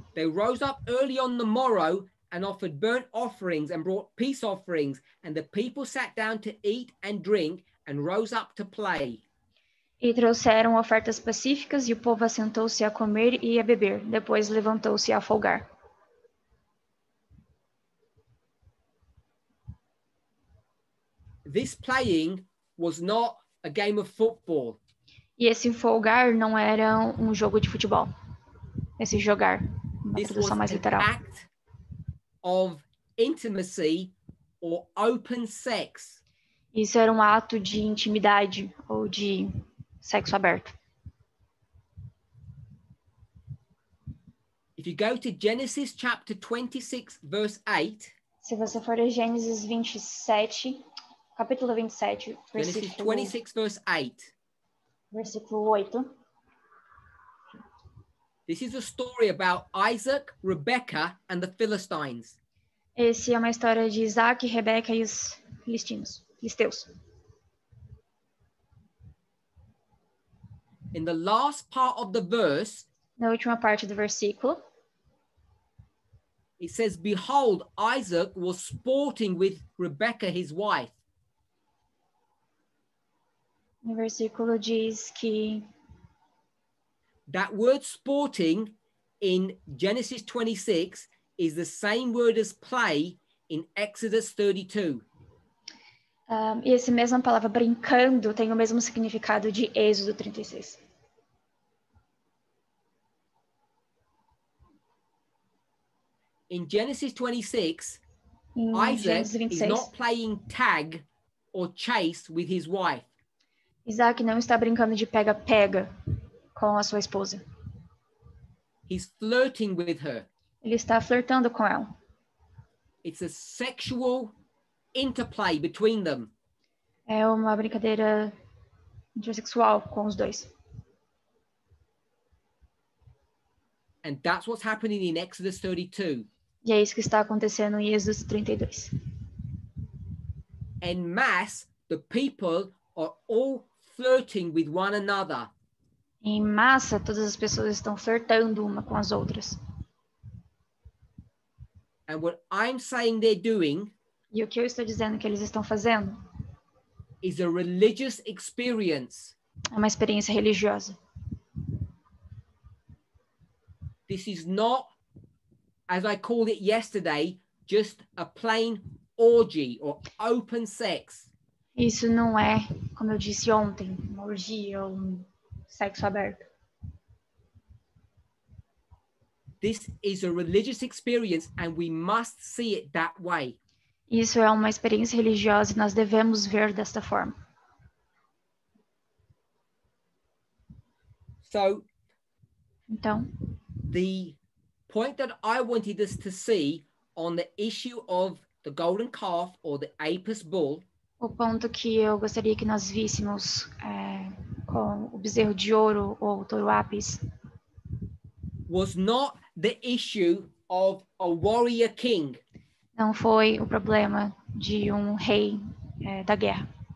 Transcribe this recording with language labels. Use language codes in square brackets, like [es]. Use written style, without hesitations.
[en] They rose up early on the morrow and offered burnt offerings and brought peace offerings, and the people sat down to eat and drink and rose up to play. [pt] E trouxeram ofertas pacíficas e o povo assentou-se a comer e a beber. Depois levantou-se a folgar. [en] This playing was not a game of football. [pt] E esse folgar não era um jogo de futebol. Esse jogar, uma tradução mais literal. [en] Of intimacy or open sex. [pt] Isso era um ato de intimidade ou de sexo aberto. [en] If you go to Genesis chapter 26 verse 8. [pt] Se você for a Gênesis 27, capítulo 27, [en] Genesis 26 verse 8. [pt] Versículo 8. [en] This is a story about Isaac, Rebecca and the Philistines. [pt] Esse é uma história de Isaac, Rebeca e os filisteus. [en] In the last part of the verse, [pt] na última parte do versículo, [en] it says, behold, Isaac was sporting with Rebecca, his wife. [pt] No versículo diz que [en] that word sporting in Genesis 26 is the same word as play in Exodus 32. [pt] E essa mesma palavra brincando tem o mesmo significado de Êxodo 36. [en] In Genesis 26, Isaac is not playing tag or chase with his wife. [pt] Isaac não está brincando de pega-pega com a sua esposa. [en] He's flirting with her. [pt] Ele está flertando com ela. [en] It's a sexual interplay between them. [pt] É uma brincadeira intersexual com os dois. [en] And that's what's happening in Exodus 32. [pt] E é isso que está acontecendo em Êxodo 32. [en] En masse, the people are all flirting with one another. [pt] Em massa, todas as pessoas estão flertando uma com as outras. [en] And what I'm saying they're doing, [pt] e o que eu estou dizendo que eles estão fazendo, [en] is a religious experience. [pt] É uma experiência religiosa. [en] This is not, as I called it yesterday, just a plain orgy or open sex. [pt] Isso não é, como eu disse ontem, uma orgia ou um sexo aberto. [en] This is a religious experience and we must see it that way. [pt] Isso é uma experiência religiosa e nós devemos ver desta forma. [en] So, [pt] então, [en] the point that I wanted us to see on the issue of the golden calf or the apis bull. [pt] O ponto que eu gostaria que nós víssemos é, com o bezerro de ouro ou o touro apis. [en] Was not the issue of a warrior king. [pt] Não foi o problema de um rei é, da guerra.